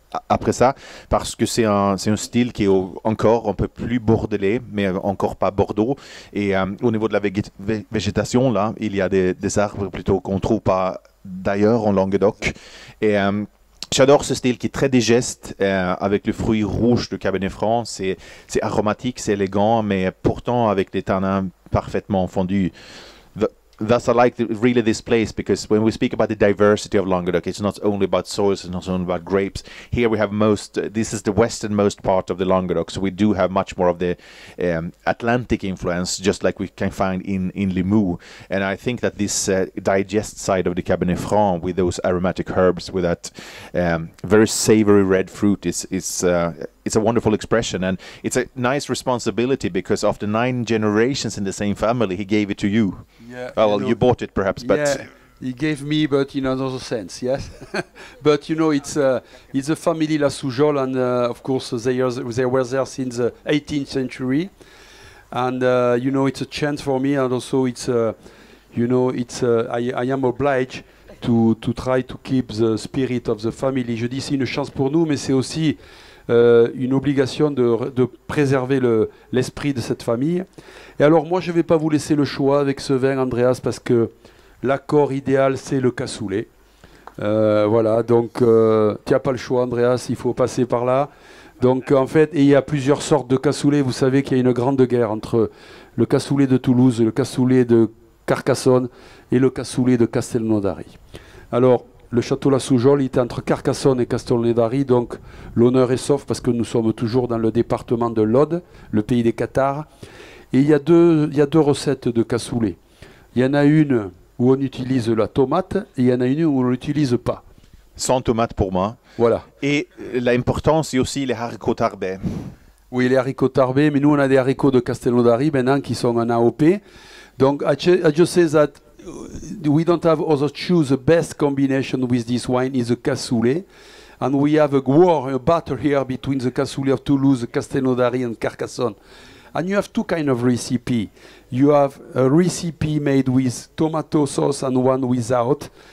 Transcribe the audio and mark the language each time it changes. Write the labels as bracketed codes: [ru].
[fr] après ça, parce que c'est un style qui est encore un peu plus bordelais, mais encore pas Bordeaux, et au niveau de la végétation, là, il y a des arbres plutôt qu'on ne trouve pas d'ailleurs en Languedoc. Et j'adore ce style qui est très digeste, avec le fruit rouge de Cabernet Franc. C'est aromatique, c'est élégant, mais pourtant avec des tanins parfaitement fondus. [en] That's I like really this place, because when we speak about the diversity of Languedoc, it's not only about soils, it's not only about grapes. Here we have most, this is the westernmost part of the Languedoc, so we do have much more of the Atlantic influence, just like we can find in Limoux. And I think that this digest side of the Cabernet Franc, with those aromatic herbs, with that very savory red fruit, it's a wonderful expression, and it's a nice responsibility, because after 9 generations in the same family, he gave it to you. Yeah. Well, you bought it perhaps, but yeah, he gave me, but in another sense, yes. But you know, it's a family La Soujolle, and of course they were there since the 18th century, and you know, it's a chance for me, and also I am obliged to try to keep the spirit of the family. [fr] Je dis c'est une chance pour nous, mais c'est aussi une obligation de préserver l'esprit de cette famille. Et alors moi, je ne vais pas vous laisser le choix avec ce vin, Andreas, parce que l'accord idéal, c'est le cassoulet. Voilà, donc tu n'as pas le choix, Andreas, il faut passer par là. Donc en fait, il y a plusieurs sortes de cassoulet. Vous savez qu'il y a une grande guerre entre le cassoulet de Toulouse, le cassoulet de Carcassonne et le cassoulet de Castelnaudary. Alors, le château La Soujolle est entre Carcassonne et Castelnaudary, donc l'honneur est sauf parce que nous sommes toujours dans le département de l'Aude, le pays des cathares. Et il y a deux recettes de cassoulet. Il y en a une où on utilise la tomate et il y en a une où on ne l'utilise pas. Sans tomate pour moi. Voilà. Et l'importance, c'est aussi les haricots tarbés. Oui, les haricots tarbés, mais nous, on a des haricots de Castelnaudary maintenant qui sont en AOP. [en] Donc, I just say that we don't have other choose. The best combination with this wine is the cassoulet. And we have a war, a battle here between the cassoulet of Toulouse, Castelnaudary and Carcassonne. And you have two kind of recipe. You have a recipe made with tomato sauce and one without.